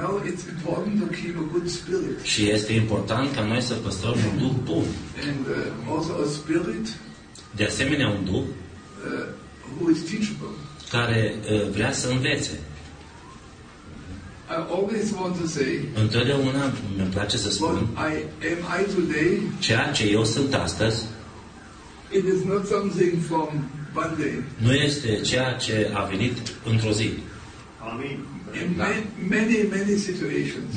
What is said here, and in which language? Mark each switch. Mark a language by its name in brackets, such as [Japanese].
[English] It's important to keep a good spirit. [Romanian] Și este important ca noi să păstrăm un duh bun. [English] And also a spirit. [Romanian] De asemenea un duh. [English] Who is teachable? [Romanian] Care vrea să învețe. [English] I always want to say. [Romanian] Întotdeauna îmi place să spun. [English] I today. [Romanian] Ceea ce eu sunt astăzi. [English] It is not something from one day. [Romanian] Nu este ceea ce a venit într-o zi. Amin. [English] In many, many situations.